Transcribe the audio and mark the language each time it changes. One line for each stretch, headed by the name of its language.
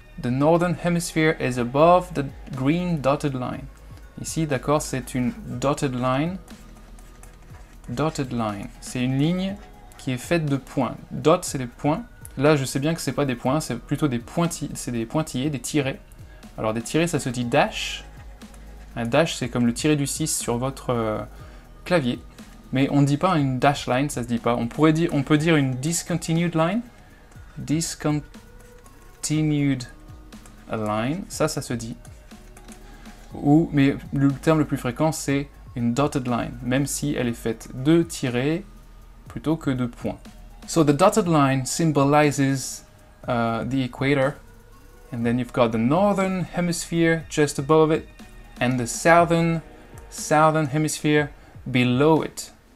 English: The northern hemisphere is above the green dotted line.
French: Ici, d'accord, c'est une dotted line. Dotted line. C'est une ligne qui est faite de points. Dot, c'est des points. Là, je sais bien que c'est pas des points, c'est plutôt des pointillés, c'est des pointillés, des tirés. Alors, des tirés, ça se dit dash. Un dash, c'est comme le tiré du 6 sur votre clavier. Mais on ne dit pas une dash line, ça se dit pas. On peut dire une discontinued line. Discontinued line, ça se dit. Mais le terme le plus fréquent, c'est une dotted line, même si elle est faite de tirés plutôt que de points.
English: So the dotted line symbolizes the equator, and then you've got the northern hemisphere just above it, and the southern hemisphere below it.